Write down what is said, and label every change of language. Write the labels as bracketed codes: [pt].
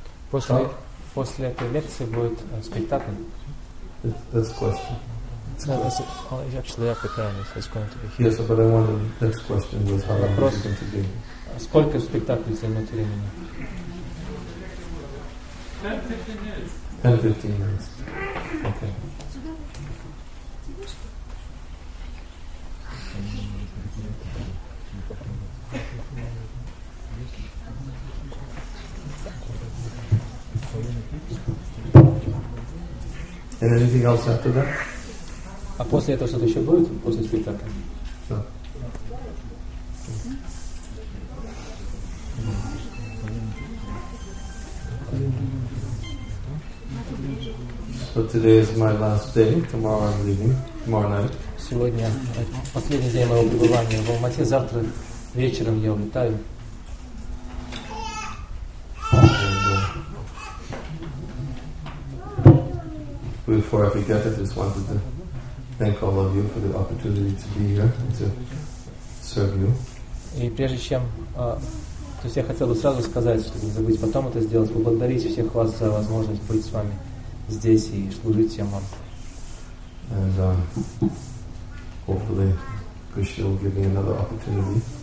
[ru] после этой лекции будет спектакль. [en] That's the question. It's actually after Paranis, it's going to be here. Yes, but I wanted the next question was how long is it going to be. [ru] Сколько спектаклей займет времени? [en] 10-15 minutes. Okay. And anything else after that? [ru] А после этого что-то еще будет после спектакля? [en] So today is my last day. Tomorrow I'm leaving. Tomorrow night. [ru] Сегодня последний день моего пребывания в Алма-Ате. Завтра вечером я улетаю. [en] Before I forget, I just wanted to thank all of you for the opportunity to be here and to serve you. [ru] И прежде чем, то есть я хотел бы сразу сказать, чтобы не забыть потом это сделать, поблагодарить всех вас за возможность быть с вами здесь и служить всем вам. [en] And hopefully Krishna will give me another opportunity.